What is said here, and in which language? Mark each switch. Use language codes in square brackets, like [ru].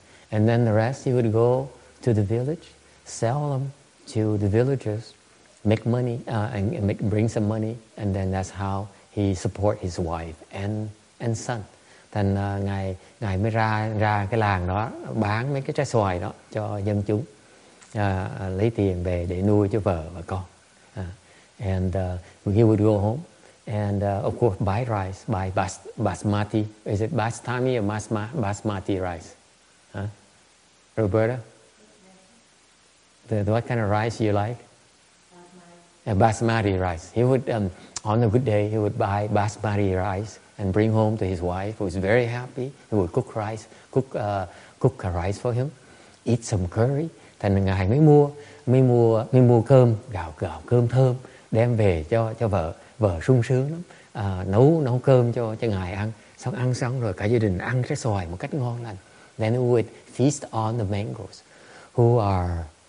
[en] And then the rest he would go to the village, sell them to the villagers. Make money and bring some money, and then that's how he support his wife and son. [vi] Then ngài mới ra cái làng đó bán mấy cái trái xoài đó cho dân chúng, lấy tiền về để nuôi cho vợ và con. [en] And he would go home, and of course buy rice, buy basmati. Is it basmati or basmati rice? Roberta, the what kind of rice you like? Basmati rice. He would, on a good day, he would buy basmati rice and bring home to his wife, who was very happy. He would cook rice, cook rice for him, eat some curry. [vi] Thành ngài mới mua cơm, gạo cơm thơm, đem về cho vợ. Vợ sung sướng lắm, nấu cơm cho ngài ăn. Xong ăn xong rồi cả gia đình ăn trái xoài một cách ngon lành. [en] Then he would feast on the mangoes, who are